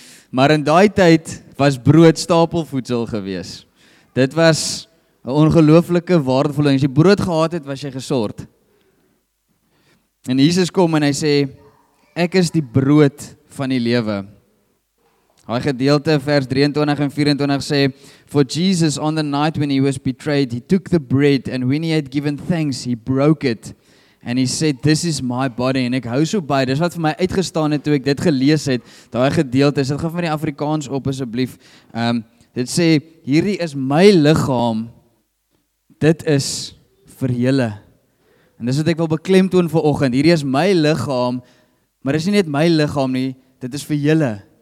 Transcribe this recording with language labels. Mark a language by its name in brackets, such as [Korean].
[Afrikaans] Maar in daai tyd was brood stapelvoedsel gewees. Dit was 'n ongelooflike waardevolle. As jy brood gehad het, was jy gesort. En Jesus kom en hy sê, "Ek is die brood van die lewe." Daai gedeelte vers 23 en 24 sê, [English] "For Jesus, on the night when he was betrayed, he took the bread, and when he had given thanks, he broke it, and he said, 'This is my body.'" [Afrikaans] En ek hou so by, dis wat vir my uitgestaan het toe ek dit gelees het, daai gedeelte, sit gaan vir die Afrikaans op asseblief. Dit sê, "Hierdie is my lichaam, dit is vir julle." En dis wat ek wil beklemtoon vanoggend, hierdie is my lichaam, maar dit is nie net my lichaam nie, dit is vir julle.